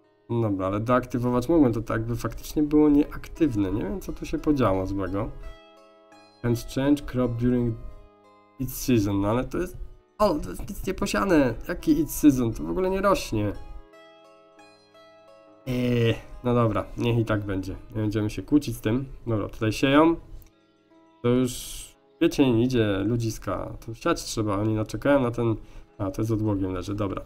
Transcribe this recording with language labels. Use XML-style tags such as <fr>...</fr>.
<pl>Dobra, ale deaktywować mogłem. To tak by faktycznie było nieaktywne. Nie wiem, co tu się podziało złego.</pl> <en>Can't change crop during its season.</en> <pl>No, ale to jest... O, to jest nic nie posiane. Jaki</pl> <en>it season?</en> <pl>To w ogóle nie rośnie. No dobra, niech i tak będzie. Nie będziemy się kłócić z tym. Dobra, tutaj sieją. To już... kwiecień, idzie ludziska, tu siać trzeba, oni naczekają na ten, a to jest odłogiem leży, dobra.</pl>